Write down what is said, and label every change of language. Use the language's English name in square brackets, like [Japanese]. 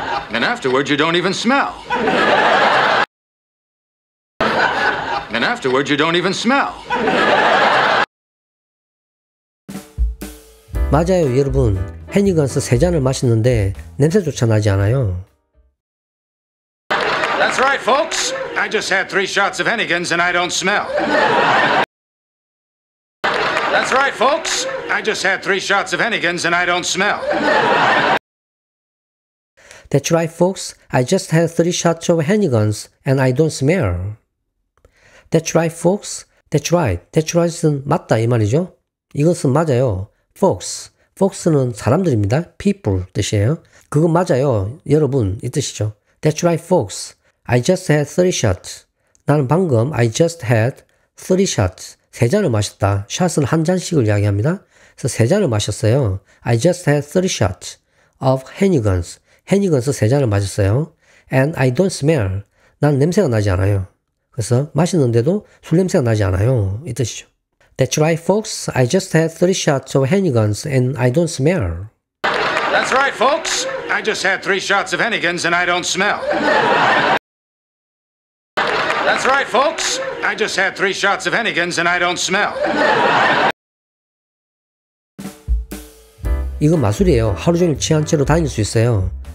[English] And afterwards, you don't even smell. And afterwards, you don't even smell. [Korean] 맞아요, 여러분. 헤니건스 세 잔을 마시는데 냄새조차 나지 않아요. [English] That's right, folks. I just had three shots of Hennigan's and I don't smell. That's right, folks. I just had three shots of Hennigan's and I don't smell. That's right, folks. I just had three shots of Hennigan's and I don't smell. That's right, folks. That's right. That's right은 [Korean] 맞다 이 말이죠. 이것은 맞아요. [English] Folks. [Korean] Folks는 사람들입니다. People 뜻이에요. 그건 맞아요. 여러분 이 뜻이죠. [English] That's right, folks. I just had three shots. [Korean] 나는 방금 [English] I just had three shots. [Korean] 세 잔을 마셨다. Shot은 한 잔씩을 이야기합니다. 그래서 세 잔을 마셨어요. [English] I just had three shots of Hennigan's. Hennigan's [Korean] 세 잔을 마셨어요. [English] And I don't smell. [Korean] 난 냄새가 나지 않아요. 그래서 마시는데도 술 냄새가 나지 않아요. 이 뜻이죠. [English] That's right, folks. I just had three shots of Hennigan's and I don't smell. That's right, folks. I just had three shots of Hennigan's and I don't smell. That's right, folks. I just had three shots of Hennigan's and I don't smell. [Korean] 이건 마술이에요. 하루 종일 취한 채로 다닐 수 있어요.